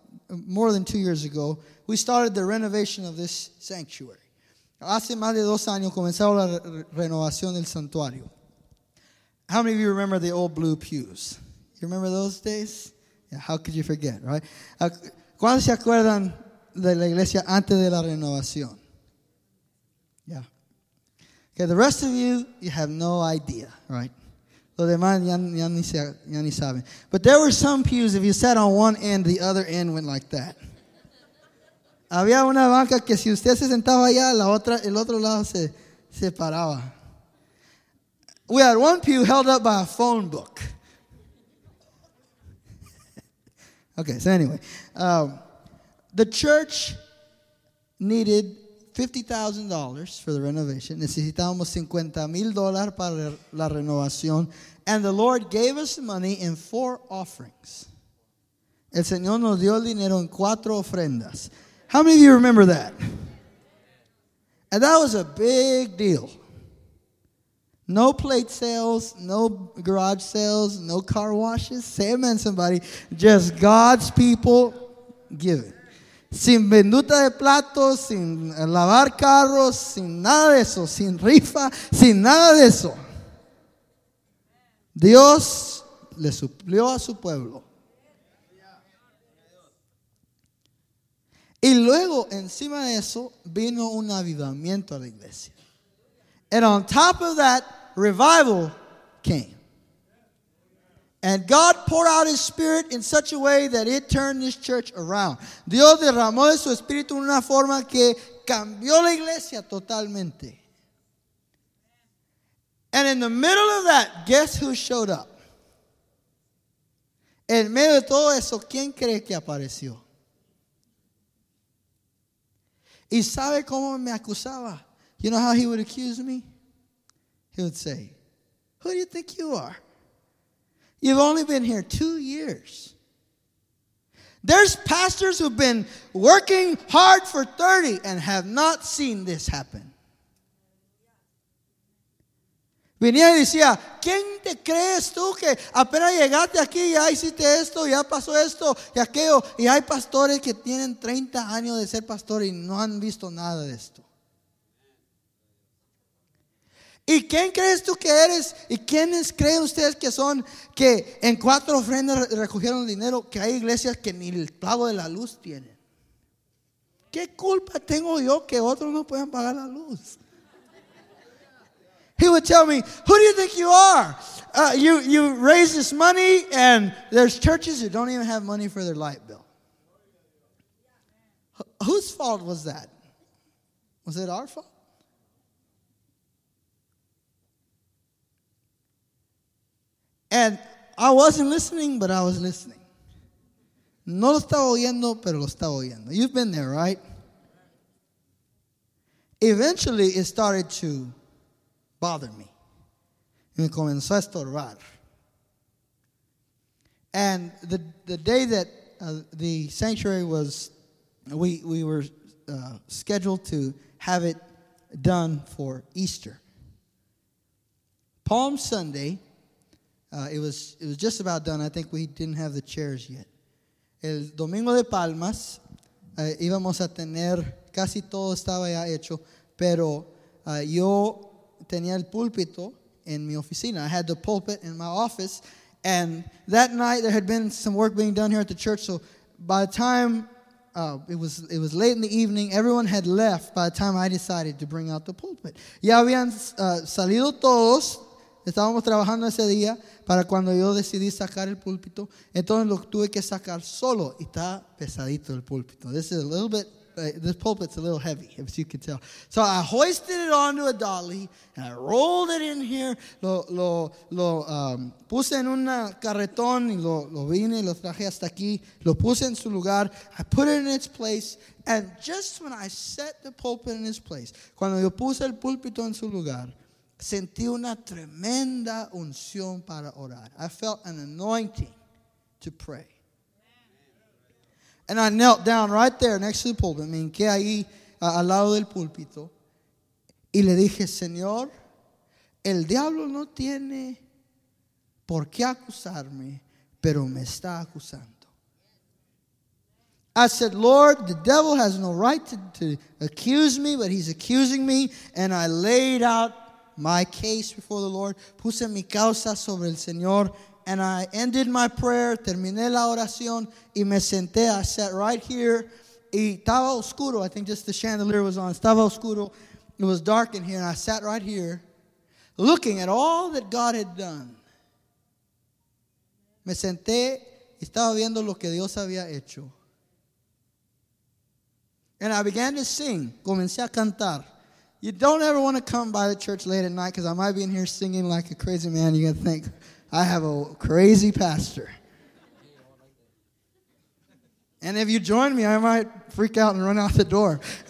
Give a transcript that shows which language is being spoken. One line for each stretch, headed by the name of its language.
English: More than two years ago, we started the renovation of this sanctuary.
Spanish: Hace más de dos años comenzamos la renovación del santuario.
English: How many of you remember the old blue pews? You remember those days? Yeah, how could you forget, right?
Spanish: ¿Cuántos se acuerdan de la iglesia antes de la renovación?
English: Yeah. Okay, the rest of you have no idea, right?
Spanish: Los demás ya ni saben.
English: But there were some pews, if you sat on one end, the other end went like that.
Spanish: Había una banca que si usted se sentaba allá, el otro lado se separaba.
English: We had one pew held up by a phone book. Okay, so anyway. The church needed $50,000 for the renovation.
Spanish: Necesitábamos $50,000 para la renovación.
English: And the Lord gave us money in four offerings.
Spanish: El Señor nos dio el dinero en cuatro ofrendas.
English: How many of you remember that? And that was a big deal. No plate sales, no garage sales, no car washes. Say amen, somebody. Just God's people giving.
Spanish: Sin venduta de platos, sin lavar carros, sin nada de eso, sin rifa, sin nada de eso. Dios le suplió a su pueblo. Y luego, encima de eso, vino un avivamiento a la iglesia.
English: And on top of that, revival came. And God poured out his spirit in such a way that it turned this church around.
Spanish: Dios derramó de su espíritu en una forma que cambió la iglesia totalmente.
English: And in the middle of that, guess who showed up?
Spanish: En medio de todo eso, ¿quién cree que apareció? ¿Y sabe cómo me acusaba?
English: You know how he would accuse me? He would say, "Who do you think you are? You've only been here 2 years. There's pastors who've been working hard for 30 and have not seen this happen."
Spanish: Venía y decía, "¿Quién te crees tú que apenas llegaste aquí ya hiciste esto, ya pasó esto y aquello? Y hay pastores que tienen 30 años de ser pastor y no han visto nada de esto. ¿Y quién crees tú que eres? ¿Y quiénes creen ustedes que son que en cuatro ofrendas recogieron dinero? Que hay iglesias que ni el pago de la luz tienen. ¿Qué culpa tengo yo que otros no puedan pagar la luz?"
English: He would tell me, "Who do you think you are? You raise this money and there's churches who don't even have money for their light bill. Whose fault was that? Was it our fault?" And I wasn't listening, but I was listening.
Spanish: No lo estaba oyendo, pero lo estaba oyendo.
English: You've been there, right? Eventually, it started to bother me.
Spanish: Me comenzó a estorbar.
English: And the day that the sanctuary was, we were scheduled to have it done for Easter. Palm Sunday. It was just about done. I think we didn't have the chairs yet.
Spanish: El Domingo de Palmas, íbamos a tener, casi todo estaba ya hecho, pero yo tenía el púlpito en mi oficina.
English: I had the pulpit in my office, and that night there had been some work being done here at the church, so by the time It was late in the evening. Everyone had left by the time I decided to bring out the pulpit.
Spanish: Ya habían salido todos. Estábamos trabajando ese día para cuando yo decidí sacar el púlpito. Entonces lo tuve que sacar solo. Y está pesadito el púlpito.
English: This is a little bit, this pulpit's a little heavy, as you can tell. So I hoisted it onto a dolly, and I rolled it in here.
Spanish: Lo puse en un carretón, y lo vine, lo traje hasta aquí. Lo puse en su lugar.
English: I put it in its place,
Spanish: and just when I set the pulpit in its place, cuando yo puse el púlpito en su lugar, sentí una tremenda unción para orar.
English: I felt an anointing to pray. And I knelt down right there next to the pulpit.
Spanish: Me hinqué ahí al lado del púlpito. Y le dije, Señor, el diablo no tiene por qué acusarme, pero me está acusando.
English: I said, Lord, the devil has no right to accuse me, but he's accusing me. And I laid out my case before the Lord.
Spanish: Puse mi causa sobre el Señor.
English: And I ended my prayer,
Spanish: terminé la oración, y me senté.
English: I sat right here,
Spanish: y estaba oscuro.
English: I think just the chandelier was on.
Spanish: Estaba oscuro.
English: It was dark in here, and I sat right here, looking at all that God had done.
Spanish: Me senté, y estaba viendo lo que Dios había hecho.
English: And I began to sing.
Spanish: Comencé a cantar.
English: You don't ever want to come by the church late at night, because I might be in here singing like a crazy man. You're going to think, I have a crazy pastor. And if you join me, I might freak out and run out the door.